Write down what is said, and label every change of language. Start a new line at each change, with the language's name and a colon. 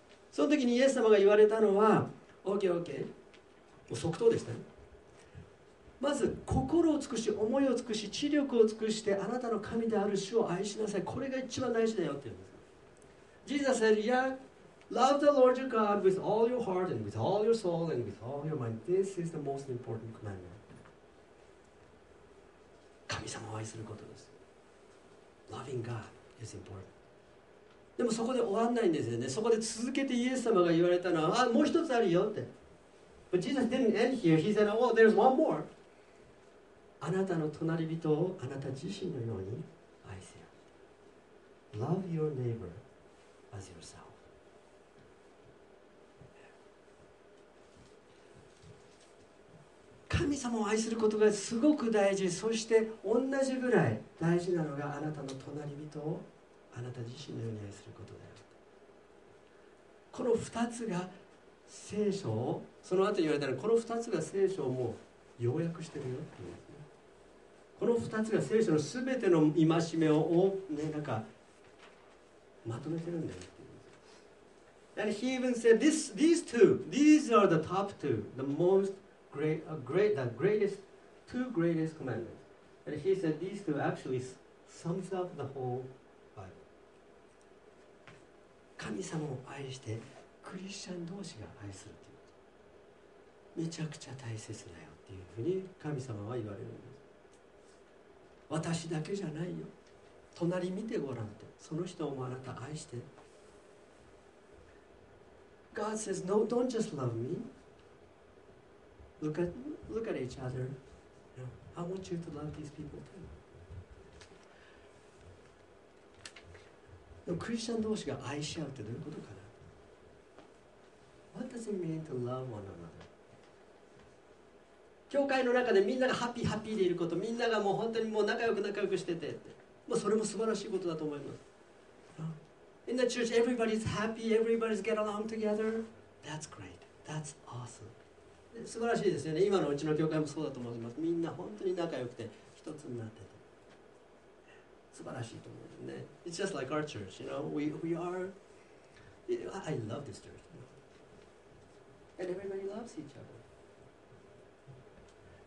Japanese: その時にイエス様が言われたのは、OK, もう即答でしたね。まず心を尽くし、思いを尽くし、知力を尽くしてあなたの神である主を愛しなさい。これが一番大事だよって言うんです。
English: Jesus said, yeah, love the Lord your God with all your heart and with all your soul and with all your mind. This is the most important commandment.
Japanese: 神様を愛することです。
English: Loving God is important.
Japanese: でもそこで終わんないんですよね。そこで続けてイエス様が言われたのは、もう一つあるよって。
English: But Jesus didn't end here. He said, oh, there's one more.
Japanese: あなたの隣人をあなた自身のように愛せよ。
English: Love your neighbor as yourself. Yeah.
Japanese: 神様を愛することがすごく大事、そして同じぐらい大事なのがあなたの隣人をあなた自身のように愛することだよ。この二つが聖書を、その後言われたのは、この二つが聖書をもう要約してるよっていう。この2つが聖書のすべての戒めを、ね、なんかまとめてるんだよ。
English: And he even said, these are the top two, the most great, the greatest, two greatest commandments. And he said, these two actually sums up the whole Bible.
Japanese: 神様を愛して、クリスチャン同士が愛するっていうこと。めちゃくちゃ大切だよっていうふうに神様は言われるんです。私だけじゃないよ。隣見てごらんって。その人もあなた愛して。
English: God says, no, don't just love me. Look at each other. I want you to love these people too.
Japanese: でもクリスチャン同士が愛し合うってどういうことかな。
English: What does it mean to love one another?
Japanese: 教会の中でみんながハッピーハッピーでいること、みんながもう本当にもう仲良くしてて、って、まあ、それも素晴らしいことだと思います。
English: In the church, everybody's happy, everybody's get along together. That's great. That's awesome.
Japanese: 素晴らしいですよね。今のうちの教会もそうだと思います。みんな本当に仲良くて一つになってて、素晴らしいと思うね。
English: It's just like our church, you know. We are. I love this church. And everybody loves each other.